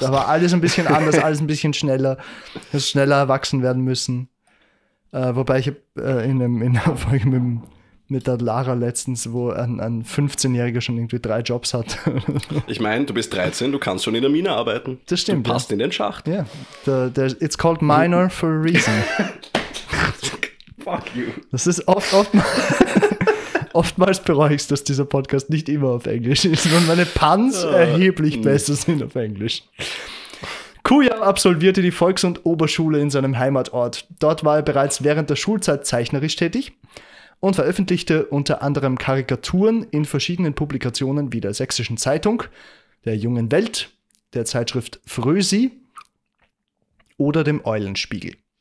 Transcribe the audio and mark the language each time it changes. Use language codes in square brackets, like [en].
[de] Da war alles ein bisschen anders, alles ein bisschen schneller. Es schneller erwachsen werden müssen. Wobei ich in der Folge mit der Lara letztens, wo ein 15-Jähriger schon irgendwie 3 Jobs hat. Ich meine, du bist 13, du kannst schon in der Mine arbeiten. Das stimmt. Du passt in den Schacht. Ja. [en] It's called minor for a reason. Fuck you. [de] Das ist oftmals bereue ich es, dass dieser Podcast nicht immer auf Englisch ist, weil meine Puns erheblich besser sind auf Englisch. Kujau absolvierte die Volks- und Oberschule in seinem Heimatort. Dort war er bereits während der Schulzeit zeichnerisch tätig und veröffentlichte unter anderem Karikaturen in verschiedenen Publikationen wie der Sächsischen Zeitung, der Jungen Welt, der Zeitschrift Frösi oder dem Eulenspiegel.